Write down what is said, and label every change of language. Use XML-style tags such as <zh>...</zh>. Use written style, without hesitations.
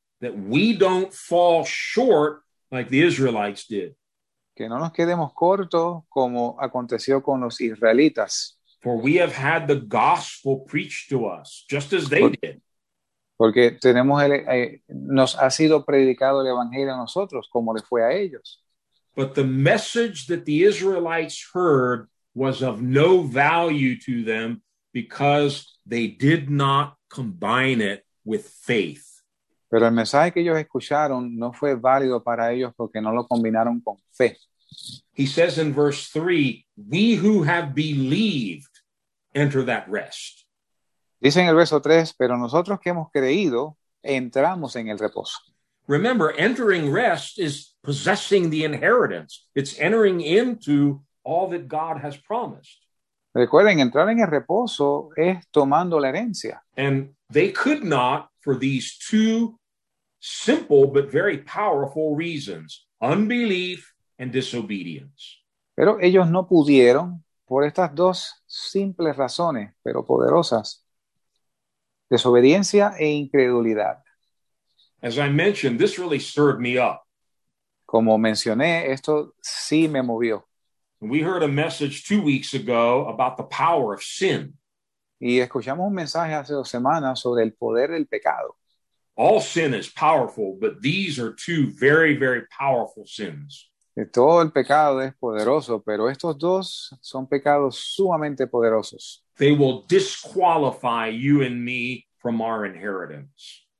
<en>that we don't fall short like the Israelites did.</en> <es>Que no nos quedemos cortos como aconteció con los israelitas.</es> <en>For we have had the gospel preached to us, just as they did.</en> <es>Porque tenemos nos ha sido predicado el evangelio a nosotros como le fue a ellos.</es> <en>But the message that the Israelites heard was of no value to them because they did not combine it with faith.</en> <es>Pero el mensaje que ellos escucharon no fue válido para ellos porque no lo combinaron con fe.</es> <en>He says in verse 3, we who have believed enter that rest.</en> <es>Dice en el verso 3, pero nosotros que hemos creído, entramos en el reposo.</es> <en>Remember, entering rest is possessing the inheritance. It's entering into all that God has promised.</en> <es>Recuerden, entrar en el reposo es tomando la herencia.</es> <en>And they could not, for these two simple but very powerful reasons, unbelief and disobedience.</en> <es>Pero ellos no pudieron por estas dos simples razones, pero poderosas. Desobediencia e incredulidad.</es> <en>As I mentioned, this really stirred me up.</en> <es>Como mencioné, esto sí me movió.</es> <en>We heard a message 2 weeks ago about the power of sin.</en> <es>Y escuchamos un mensaje hace 2 semanas sobre el poder del pecado.</es> <en>All sin is powerful, but these are two very, very powerful sins.</en> <es>Todo el pecado es poderoso, pero estos dos son pecados sumamente poderosos.</es> <en>They will disqualify you and me from our inheritance.</en>